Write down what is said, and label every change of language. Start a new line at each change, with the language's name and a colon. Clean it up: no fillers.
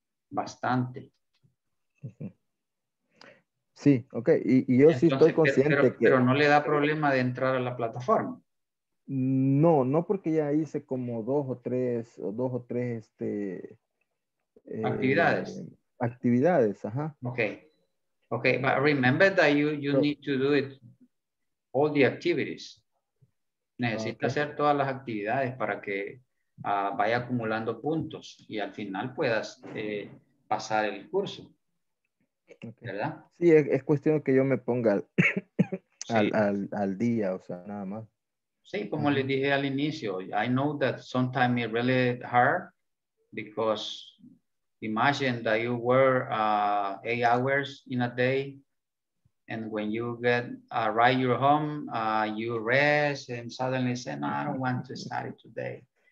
Spanish: Bastante. Sí, ok. Y yo entonces, sí estoy consciente pero no le da problema de entrar a la plataforma. No, porque ya hice como dos o tres actividades. Actividades, ajá.
English: Ok, but remember that you need to do it all the activities.
Spanish: Necesita hacer todas las actividades para que vaya acumulando puntos y al final puedas pasar el curso. Okay. ¿Verdad? Sí, es cuestión que yo me ponga al día, o sea, nada más. Sí, como les dije al inicio,
English: I know that sometimes it's really hard because imagine that you were 8 hours in a day And when you get arrive your home, you rest and suddenly say, no, I don't want to study today.